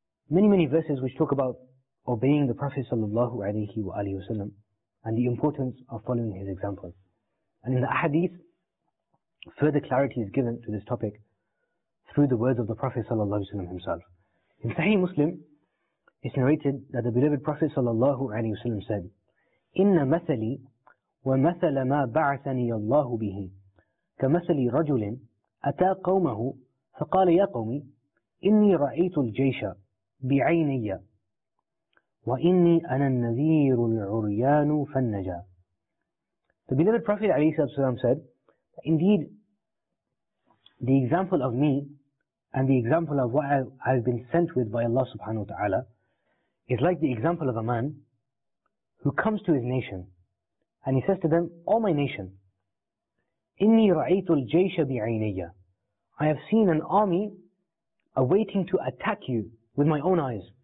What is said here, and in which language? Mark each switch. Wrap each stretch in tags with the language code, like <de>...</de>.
<en>Many, many verses which talk about obeying the Prophet sallallahu alayhi wa alayhi wa sallam and the importance of following his example. And in the ahadith, further clarity is given to this topic through the words of the Prophet sallallahu alayhi wa sallam himself. In Sahih Muslim, it's narrated that the beloved Prophet sallallahu alayhi wa sallam said,</en> <ar>"إِنَّ مَثَلِي وَمَثَلَ مَا بَعْثَنِيَ اللَّهُ بِهِ كَمَثَلِ رَجُلٍ أَتَى قَوْمَهُ فَقَالَ يَا قَوْمِ إِنِّي رَأَيْتُ الْجَيْشَ بِعَيْنِيَّ وَإِنِّي أَنَا النَّذِيرُ الْعُرْيَانُ فَالنَّجَى."</ar> <en>The beloved Prophet ﷺ said, "Indeed, the example of me and the example of what I have been sent with by Allah subhanahu wa ta'ala is like the example of a man who comes to his nation and he says to them, 'O my nation,</en> <ar>إِنِّي رَأَيْتُ الْجَيْشَ بِعَيْنِيَّ,"</ar> <en>I have seen an army awaiting to attack you with my own eyes.</en>